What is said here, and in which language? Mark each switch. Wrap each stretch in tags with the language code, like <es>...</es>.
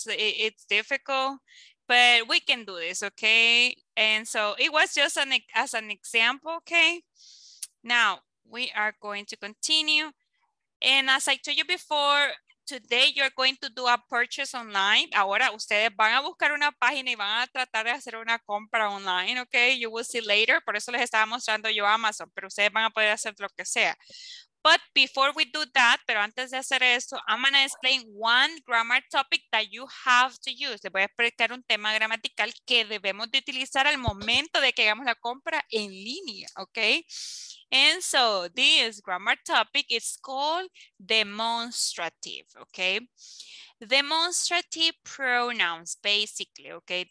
<en>It's difficult, but we can do this, okay? And so it was just as an example, okay? Now we are going to continue. And as I told you before, today you're going to do a purchase online.</en> <es>Ahora ustedes van a buscar una página y van a tratar de hacer una compra online, okay?</es> <en>You will see later.</en> <es>Por eso les estaba mostrando yo Amazon, pero ustedes van a poder hacer lo que sea.</es> <en>But before we do that,</en> <es>pero antes de hacer esto,</es> <en>I'm going to explain one grammar topic that you have to use.</en> <es>Les voy a explicar un tema gramatical que debemos de utilizar al momento de que hagamos la compra en línea, okay?</es> <en>And so this grammar topic is called demonstrative, okay? Demonstrative pronouns, basically, okay?</en>